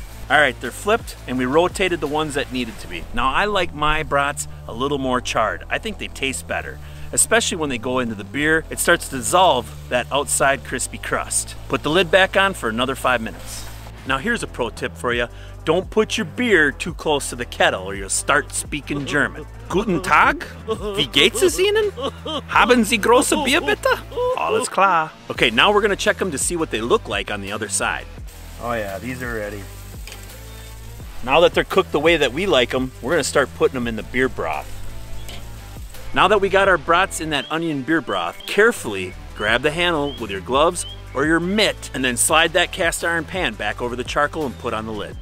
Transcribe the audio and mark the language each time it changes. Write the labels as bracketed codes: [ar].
[en] All right, they're flipped and we rotated the ones that needed to be. Now I like my brats a little more charred. I think they taste better, especially when they go into the beer. It starts to dissolve that outside crispy crust. Put the lid back on for another 5 minutes. Now here's a pro tip for you. Don't put your beer too close to the kettle or you'll start speaking German. [de] Guten Tag, wie geht's es Ihnen? Haben Sie große Bier bitte? Alles klar. [en] Okay, now we're gonna check them to see what they look like on the other side. Oh yeah, these are ready. Now that they're cooked the way that we like them, we're gonna start putting them in the beer broth. Now that we got our brats in that onion beer broth, carefully grab the handle with your gloves or your mitt and then slide that cast iron pan back over the charcoal and put on the lid.